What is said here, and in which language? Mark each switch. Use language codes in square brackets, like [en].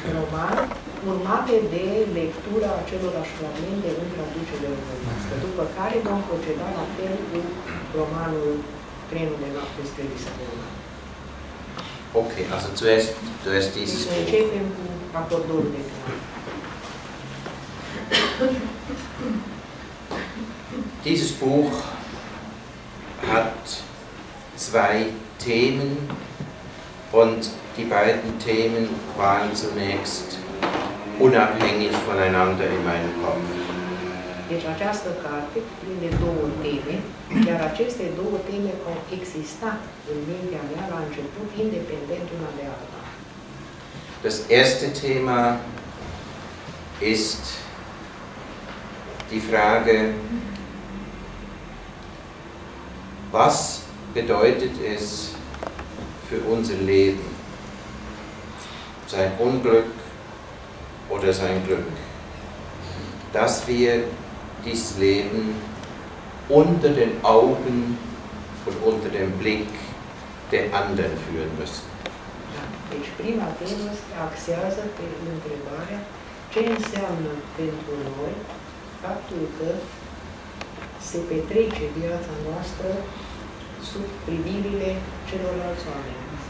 [ro] Urmate de lectura acelorași fragmente în traducere română, după care vom proceda la fel cu romanul Trenul de noapte spre Lisabona. [de] Ok, also zuerst dieses Buch. [ro] Deci începem cu Papordorul de piane. [de] Dieses Buch hat zwei Themen und die beiden Themen waren zunächst unabhängig voneinander in meinem Kopf. [ro] Deci această carte prinde două teme, iar aceste două teme au existat în mintea mea la început, independent una de alta. [de] Das erste Thema ist die Frage, was bedeutet es für unser Leben, sein Unglück oder sein Glück, dass wir dieses Leben unter den Augen und unter dem Blick der anderen führen müssen. [ro] Deci prima temă se axează pe întrebarea ce înseamnă pentru noi faptul că se petrece viața noastră sub privirile celorlalți oameni.